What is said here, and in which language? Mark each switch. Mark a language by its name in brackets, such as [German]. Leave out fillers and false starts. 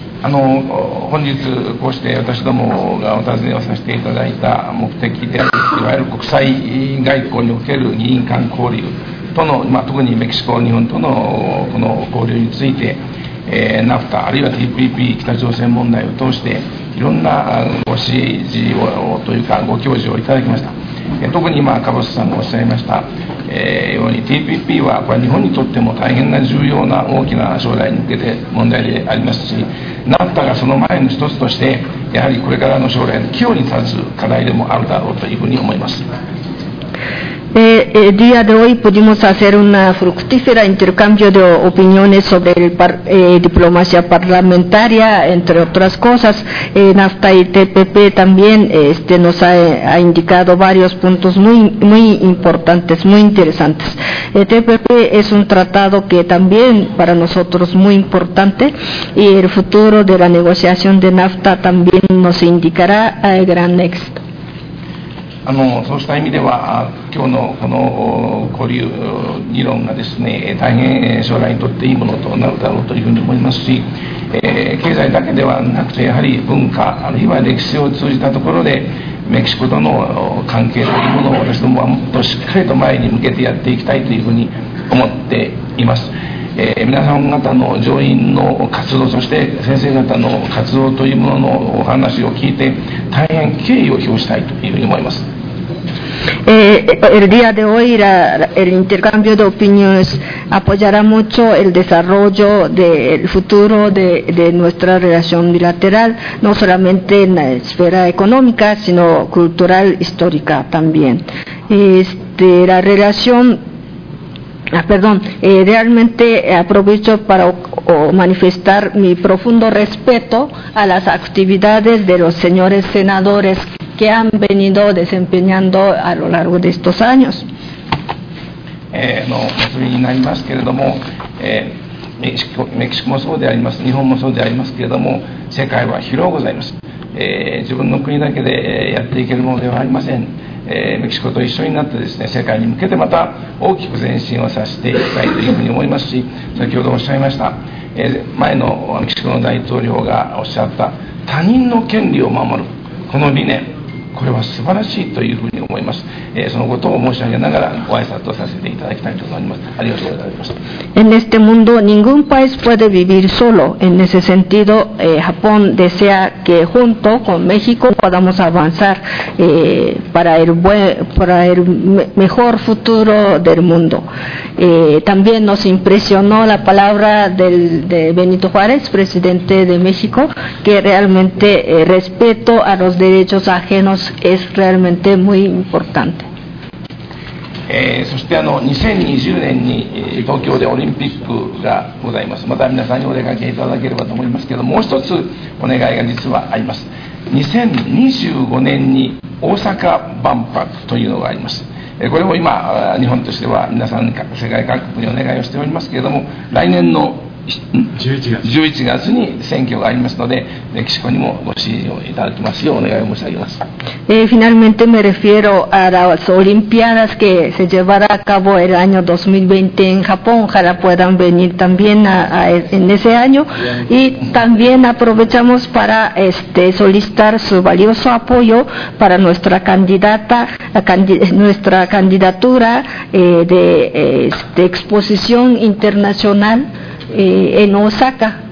[Japanese] 本日こうして私どもがお尋ねをさせていただいた目的である、いわゆる国際外交における議員間交流。この、特にメキシコ、日本と の, この交流について、NAFTA あるいは TPP 北朝鮮問題を通していろんなご指示をというかご教示をいただきました。特に今カボスさんがおっしゃいました、ように TPP はこれ日本にとっても大変な重要な大きな将来に向けて問題でありますし、 NAFTA がその前の一つとしてやはりこれからの将来の岐路に立つ課題でもあるだろうというふうに思います。 [Spanish] Día de hoy pudimos hacer un fructífero intercambio de opiniones sobre diplomacia parlamentaria, entre otras cosas. NAFTA y TPP también nos ha indicado varios puntos muy, muy importantes, muy interesantes. TPP es un tratado que también para nosotros es muy importante y el futuro de la negociación de NAFTA también nos indicará gran éxito. [Japanese] そうした意味では今日のこの交流議論がですね大変将来にとっていいものとなるだろうというふうに思いますし、経済だけではなくてやはり文化あるいは歴史を通じたところでメキシコとの関係というものを私どもはもっとしっかりと前に向けてやっていきたいというふうに思っています。皆さん方の上院の活動そして先生方の活動というもののお話を聞いて大変敬意を表したいというふうに思います。 [Spanish] El día de hoy la, el intercambio de opiniones apoyará mucho el desarrollo del futuro de nuestra relación bilateral, no solamente en la esfera económica, sino cultural, histórica también. La relación, realmente aprovecho para manifestar mi profundo respeto a las actividades de los señores senadores. Que han venido desempeñando a lo largo de estos años. [Japanese] No, お済みになりますけれども、メキシコもそうであります、日本もそうでありますけれども、世界は広くございます。自分の国だけでやっていけるものではありません。メキシコと一緒になってですね、世界に向けてまた大きく前進をさせていきたいというふうに思いますし、先ほどおっしゃいました、前のメキシコの大統領がおっしゃった他人の権利を守るこの理念。これは素晴らしいというふうに思います。そのことを申し上げながらご挨拶をさせていただきたいと思います。ありがとうございました。 [Spanish] En este mundo ningún país puede vivir solo. En ese sentido, Japón desea que junto con México podamos avanzar para el mejor futuro del mundo. También nos impresionó la palabra de Benito Juárez, presidente de México, que realmente respeto a los derechos ajenos es realmente muy importante. [Japanese] そして2020年に東京でオリンピックがございます。また皆さんにお出かけいただければと思いますけど、もう一つお願いが実はあります。 2025年に大阪万博というのがあります。これも今日本としては皆さん世界各国にお願いをしておりますけれども、来年の 11月に選挙がありますので、メキシコにもご支持をいただきますようお願いを申し上げます。 [Spanish] Finalmente me refiero a las Olimpiadas que se llevará a cabo el año 2020 en Japón. Ojalá puedan venir también en ese año. Y también aprovechamos para solicitar su valioso apoyo para nuestra candidatura de exposición internacional en Osaka.